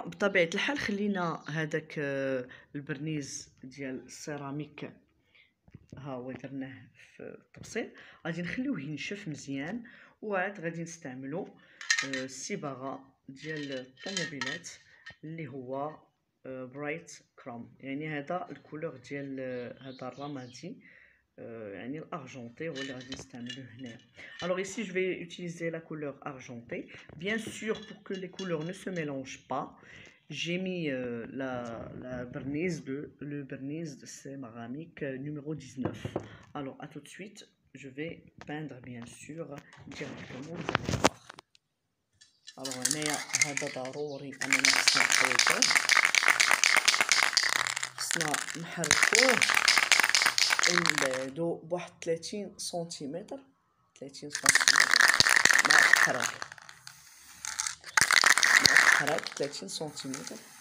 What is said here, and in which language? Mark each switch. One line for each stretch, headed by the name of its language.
Arabic: بطبيعة الحال خلينا هذاك البرنيز ديال السيراميك ها هو درناه في الطبسيل، غادي نخليوه ينشف مزيان، وعاد غادي نستعملو الصبغة ديال الطوموبيلات اللي هو برايت كروم، يعني هذا الكولور ديال هذا الرمادي يعني الارجنتي هو اللي غادي نستعملو هنا.
French: الوغ ici je vais utiliser la couleur argentée. Bien sûr pour que les couleurs ne se mélangent pas, j'ai mis la vernise de le vernis de céramique numéro 19. Alors à tout de suite, je vais peindre bien sûr directement.
Arabic: Alors هنا هذا ضروري اننا نستعملو نحركوه البعدو بواحد 30 سنتيمتر، 30 سنتيمتر مع الحراك 30 سنتيمتر.